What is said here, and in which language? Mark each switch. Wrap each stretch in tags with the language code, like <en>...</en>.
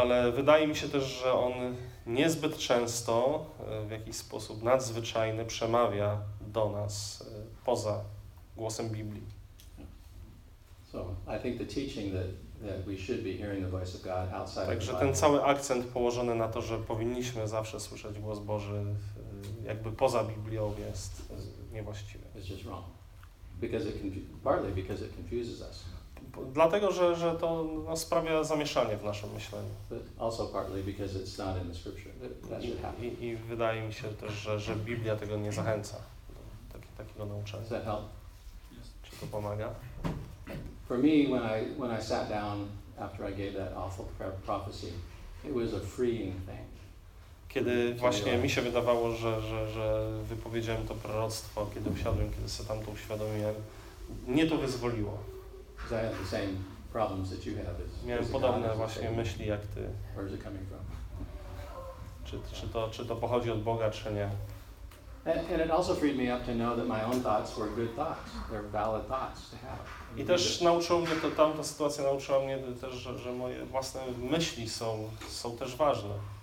<pl>Ale wydaje mi się też, że on niezbyt często w jakiś sposób nadzwyczajny przemawia do nas poza głosem Biblii.</pl> <en>So, I think the teaching that we should be hearing the voice of God outside of the Bible.</en> <pl>Ten cały akcent położony na to, że powinniśmy zawsze słyszeć głos Boży jakby poza Biblią, jest niewłaściwy.</pl> <en>It's just wrong. Partly because it confuses us.</en> <pl>Dlatego, że to sprawia zamieszanie w naszym myśleniu.</pl> <en>Also partly because it's not in the scripture. That should happen.</en> <pl>I wydaje mi się też, że Biblia tego nie zachęca do takiego nauczania.</pl> <en>Does that help?</en> <pl>To pomaga.</pl> <en>For me, when I sat down after I gave that awful prophecy, it was a freeing thing.</en> <pl>Kiedy właśnie mi się wydawało, że wypowiedziałem to proroctwo, kiedy usiadłem, kiedy sobie tam to uświadomiłem, mnie to wyzwoliło.</pl> <en>I had the same problems that you have is.</en> <pl>Miałem podobne właśnie myśli jak ty.</pl> <en>Where is it coming from?</en> <pl>Czy to pochodzi od Boga, czy nie?</pl> <en>And it also freed me up to know that my own thoughts were good thoughts. They're valid thoughts to have.</en> <pl>I też nauczyło mnie to, tamta sytuacja nauczyła mnie też, że moje własne myśli są też ważne.</pl>